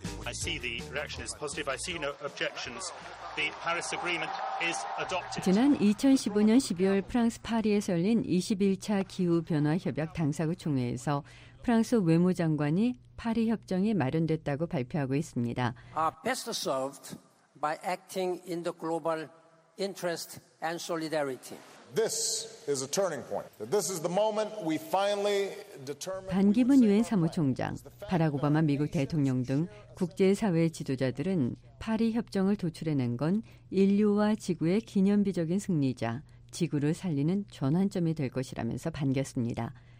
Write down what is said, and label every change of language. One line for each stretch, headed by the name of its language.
English: I see the reaction is positive. I see no objections. The Paris Agreement is adopted.
Korean: 지난 2015년 12월 프랑스 파리에서 열린 21차 기후변화협약 당사국 총회에서 프랑스 외무장관이 파리 협정이 마련됐다고 발표하고 있습니다.
English: Are best served by acting in the global interest and solidarity. This is a turning point. This is the moment we finally determine.
Korean: 반기문 유엔 사무총장, 바락 오바마 미국 대통령 등 국제사회 지도자들은 파리 협정을 도출해낸 건 인류와 지구의 기념비적인 승리자, 지구를 살리는 전환점이 될 것이라면서 반겼습니다.